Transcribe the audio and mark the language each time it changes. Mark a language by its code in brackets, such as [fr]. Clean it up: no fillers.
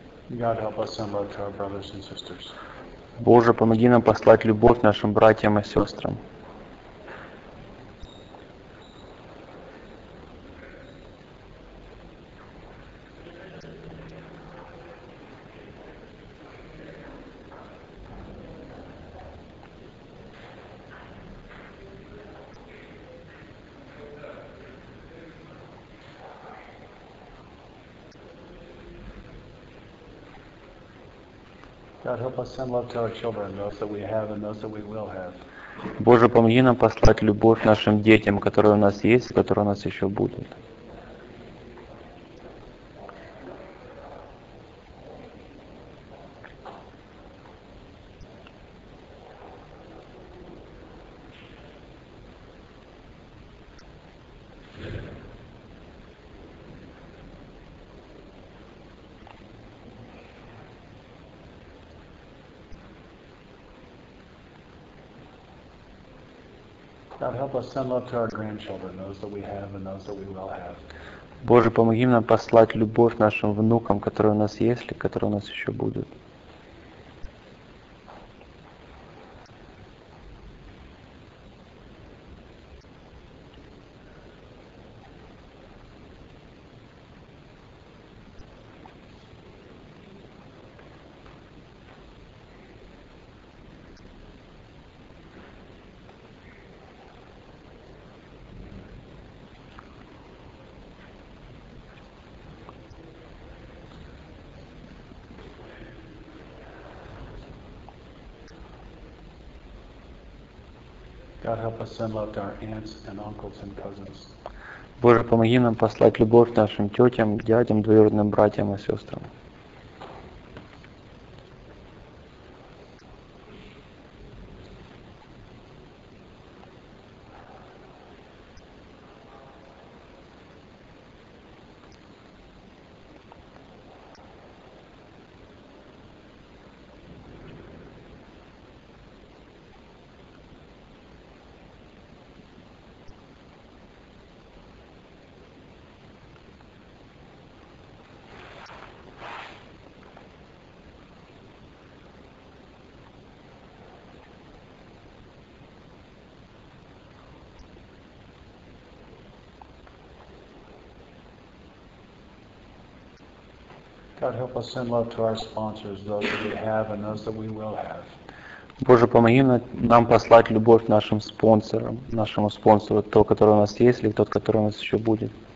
[en] God help us send love to our brothers and sisters. [ru] Боже, помоги нам послать любовь нашим братьям и сестрам. [en] God help us send love to our children, those that we have and those that we will have. [ru] Боже, помоги нам послать любовь нашим детям, которые у нас есть, которые у нас еще будут. [en] Send love to our grandchildren, those that we have and those that we will have. [ru] Боже, помоги нам послать любовь нашим внукам, которые у нас есть, которые у нас еще будут. [en] God help us send love to our aunts and uncles and cousins. [ru] Боже, помоги нам послать любовь нашим тетям, дядям, двоюродным братьям и сестрам. [en] God help us send love to our sponsors, those that we have and those that we will have. [ru] Боже, помоги нам послать любовь нашим спонсорам, нашему спонсору, тот, который у нас есть, или тот, который у нас еще будет.